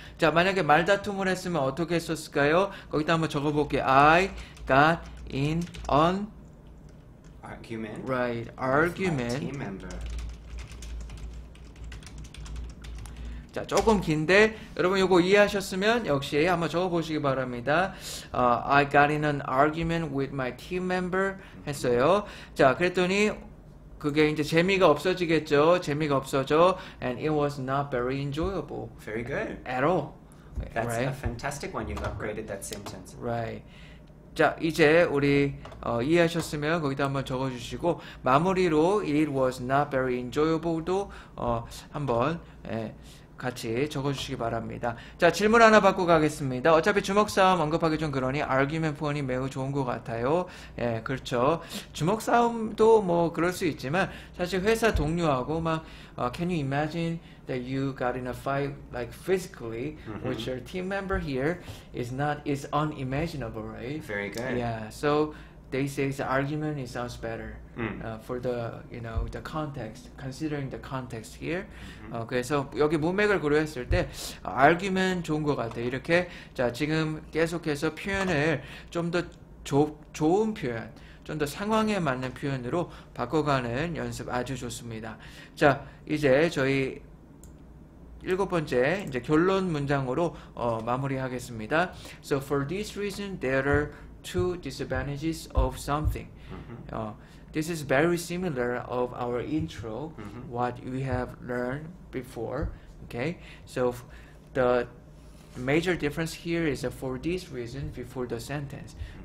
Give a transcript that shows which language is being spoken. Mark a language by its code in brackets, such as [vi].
[ko] 자, 만약에 말다툼을 했으면 어떻게 했었을까요? 거기다 한번 적어볼게요. [en] I got in an argument. Right, argument. With my team member. [ko] 자, 조금 긴데 여러분 이거 이해하셨으면 역시 한번 적어보시기 바랍니다. [en] I got in an argument with my team member [ko] 했어요. 자, 그랬더니 그게 이제 재미가 없어지겠죠. 재미가 없어져. [en] And it was not very enjoyable. Very good. At all. That's right? a fantastic one. You've upgraded that sentence. [ko] Right. 자, 이제 우리 이해하셨으면 거기다 한번 적어주시고 마무리로 [en] it was not very enjoyable [ko] 도 한번 예. 같이 적어주시기 바랍니다. 자, 질문 하나 받고 가겠습니다. 어차피 주먹싸움 언급하기 좀 그러니 argument point이 매우 좋은 것 같아요. 예, 그렇죠. 주먹싸움도 뭐 그럴 수 있지만 사실 회사 동료하고 막 [en] can you imagine that you got in a fight like physically with your team member here is unimaginable, right? Very good. Yeah, so they say the argument it sounds better for the, you know, the context, considering the context here. [ko] Mm-hmm. 그래서 여기 문맥을 고려했을 때 argument 좋은 것 같아. 이렇게 자 지금 계속해서 표현을 좀 더 좋은 표현, 좀 더 상황에 맞는 표현으로 바꿔가는 연습 아주 좋습니다. 자 이제 저희 일곱 번째 이제 결론 문장으로 마무리하겠습니다. [en] So for this reason, there are two disadvantages of something. Mm-hmm. This is very similar of our intro, mm-hmm. what we have learned before. Okay, so the major difference here is for this reason before the sentence. Mm-hmm.